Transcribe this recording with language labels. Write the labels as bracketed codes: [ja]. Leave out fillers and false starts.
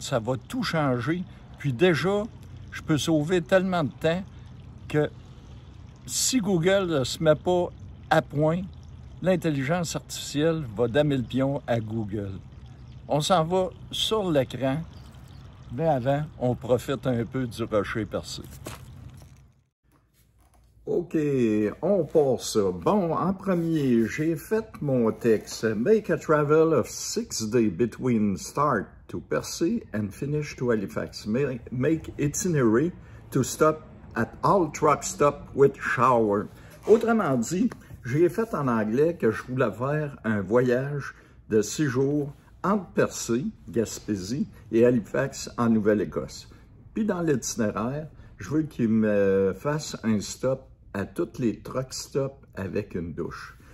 [fr] Ça va tout changer. Puis déjà, je peux sauver tellement de temps que si Google ne se met pas à point, l'intelligence artificielle va damer le pion à Google. On s'en va sur l'écran, mais avant, on profite un peu du rocher percé. OK, on part ça. Bon, en premier, j'ai fait mon texte. [en] Make a travel of 6 days between start to Percé and finish to Halifax. Make itinerary to stop at all truck stop with shower. [fr] Autrement dit, j'ai fait en anglais que je voulais faire un voyage de 6 jours entre Percé, Gaspésie, et Halifax en Nouvelle-Écosse. Puis dans l'itinéraire, je veux qu'il me fasse un stop à toutes les truck stops avec une douche.